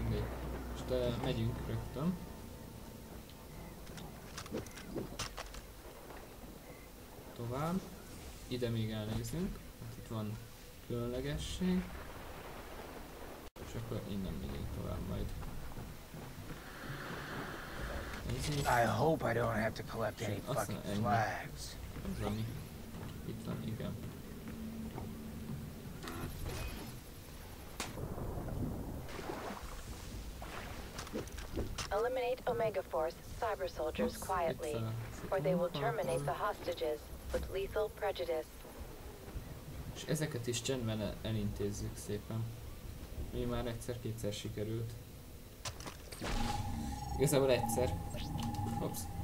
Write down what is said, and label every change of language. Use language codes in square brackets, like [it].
[hu] Mindegy. De megyünk rögtön. Tovább. Ide még elnézünk. Hát itt van különlegesség. És akkor innen megyünk tovább majd. Nézzük. [en] I hope I don't have to collect any fucking flags. [hu] Az, ami itt van, igen. [en] Eliminate Omega Force cyber soldiers quietly, or they will terminate the hostages with lethal prejudice. [hu] És ezeket is csendben elintézzük szépen. Mi már egyszer-kétszer sikerült. Igazából egyszer. Ops.